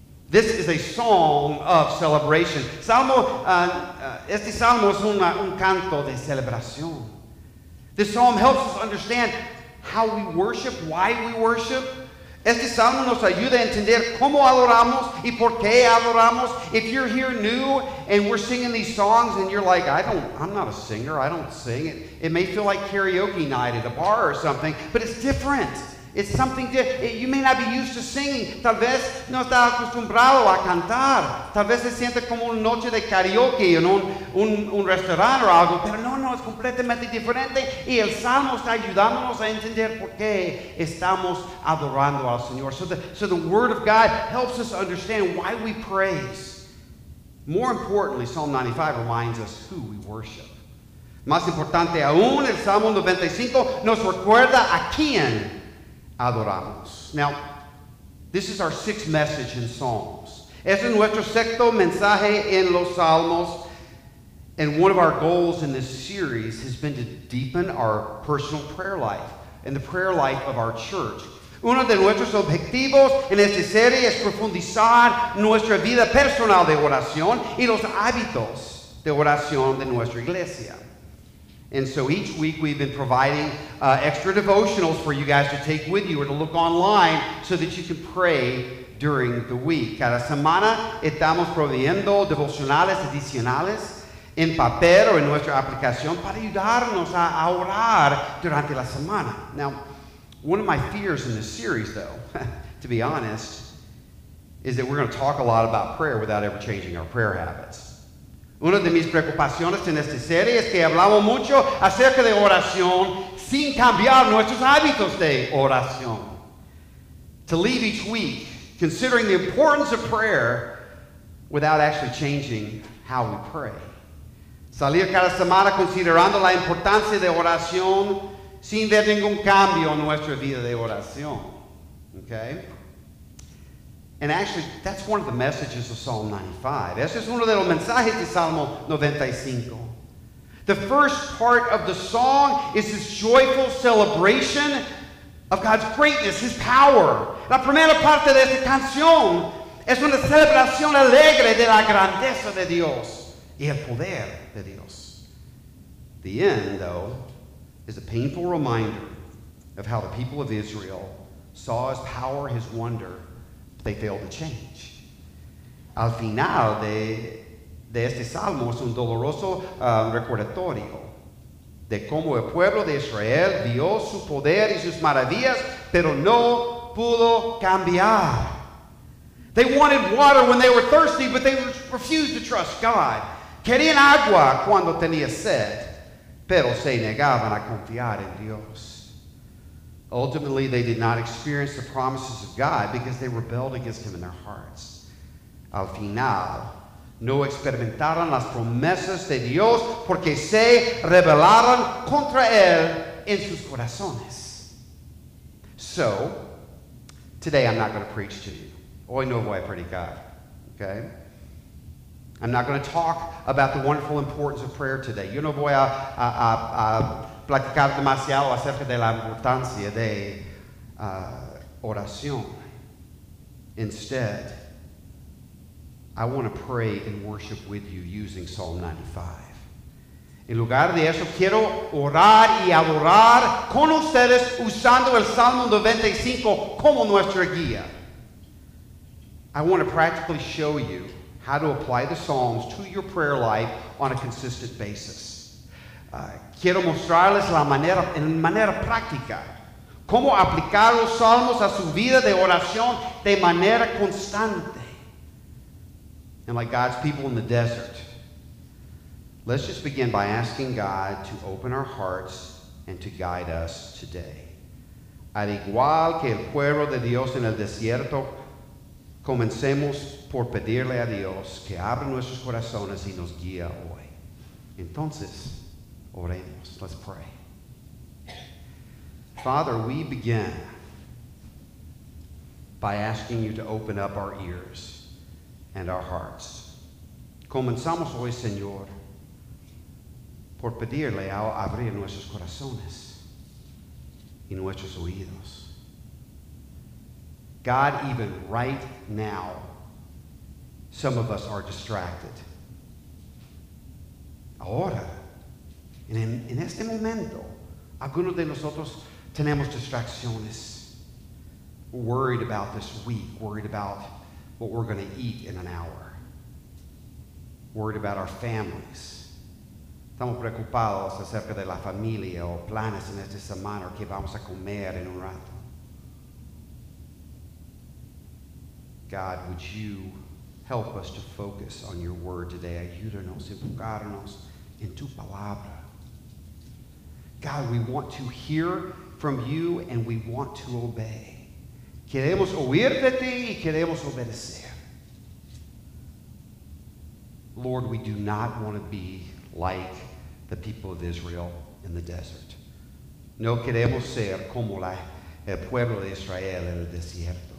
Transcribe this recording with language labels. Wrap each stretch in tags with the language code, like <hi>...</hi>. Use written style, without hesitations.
<en>This is a song of celebration.</en> <es>Salmo, este salmo es un canto de celebración.</es> <en>This psalm helps us understand how we worship, why we worship.</en> <es>Este salmo nos ayuda a entender cómo adoramos y por qué adoramos.</es> <en>If you're here new and we're singing these songs and you're like, I'm not a singer, I don't sing. It may feel like karaoke night at a bar or something, but it's different. It's something different. You may not be used to singing.</en> <es>Tal vez no está acostumbrado a cantar. Tal vez se siente como una noche de karaoke en un restaurante o algo. Pero no, es completamente diferente. Y el Salmo está ayudándonos a entender por qué estamos adorando al Señor.</es> <en>So the Word of God helps us understand why we praise. More importantly, Psalm 95 reminds us who we worship. Más importante aún, el Salmo 95 nos recuerda a quién adoramos. Now, this is our sixth message in Psalms.</en> <es>Es nuestro sexto mensaje en los Salmos.</es> <en>And one of our goals in this series has been to deepen our personal prayer life and the prayer life of our church.</en> <es>Uno de nuestros objetivos en esta serie es profundizar nuestra vida personal de oración y los hábitos de oración de nuestra iglesia.</es> <en>And so each week we've been providing extra devotionals for you guys to take with you or to look online so that you can pray during the week.</en> <es>Cada semana estamos proveyendo devocionales adicionales en papel o en nuestra aplicación para ayudarnos a orar durante la semana.</es> <en>Now, one of my fears in this series, though, to be honest, is that we're going to talk a lot about prayer without ever changing our prayer habits.</en> <es>Una de mis preocupaciones en esta serie es que hablamos mucho acerca de oración sin cambiar nuestros hábitos de oración.</es> <en>To leave each week considering the importance of prayer without actually changing how we pray.</en> <es>Salir cada semana considerando la importancia de oración sin ver ningún cambio en nuestra vida de oración.</es> <en>Okay? And actually, that's one of the messages of Psalm 95.</en> <es>Ese es uno de los mensajes de Salmo 95.</es> <en>The first part of the song is this joyful celebration of God's greatness, His power.</en> <es>La primera parte de esta canción es una celebración alegre de la grandeza de Dios y el poder de Dios.</es> <en>The end, though, is a painful reminder of how the people of Israel saw His power, His wonder, they failed to change.</en> <es>Al final de este salmo es un doloroso recordatorio de cómo el pueblo de Israel vio su poder y sus maravillas, pero no pudo cambiar.</es> <en>They wanted water when they were thirsty, but they refused to trust God.</en> <es>Querían agua cuando tenía sed, pero se negaban a confiar en Dios.</es> <en>Ultimately, they did not experience the promises of God because they rebelled against Him in their hearts.</en> <es>Al final, no experimentaron las promesas de Dios porque se rebelaron contra Él en sus corazones.</es> <en>So, today I'm not going to preach to you.</en> <es>Hoy no voy a predicar.</es> <en>Okay? I'm not going to talk about the wonderful importance of prayer today.</en> <es>Yo no voy a platicar demasiado acerca de la importancia de oración.</es> <en>Instead, I want to pray and worship with you using Psalm 95.</en> <es>En lugar de eso, quiero orar y adorar con ustedes usando el Salmo 95 como nuestra guía.</es> <en>I want to practically show you how to apply the Psalms to your prayer life on a consistent basis.</en> <es>Quiero mostrarles la manera, en manera práctica, cómo aplicar los salmos a su vida de oración de manera constante.</es> <en>And like God's people in the desert, let's just begin by asking God to open our hearts and to guide us today.</en> <es>Al igual que el pueblo de Dios en el desierto, comencemos por pedirle a Dios que abra nuestros corazones y nos guíe hoy. Entonces, oremos.</es> <en>Let's pray. Father, we begin by asking you to open up our ears and our hearts.</en> <es>Comenzamos hoy, Señor, por pedirle a abrir nuestros corazones y nuestros oídos.</es> <en>God, even right now, some of us are distracted.</en> <es>Ahora, en este momento, algunos de nosotros tenemos distracciones.</es> <en>Worried about this week, worried about what we're going to eat in an hour. Worried about our families.</en> <es>Estamos preocupados acerca de la familia o planes en esta semana o qué vamos a comer en un rato.</es> <en>God, would you help us to focus on your word today?</en> <es>Ayúdanos, enfocarnos en tu palabra.</es> <en>God, we want to hear from you and we want to obey.</en> <es>Queremos oír de ti y queremos obedecer.</es> <en>Lord, we do not want to be like the people of Israel in the desert.</en> <es>No queremos ser como el pueblo de Israel en el desierto.</es>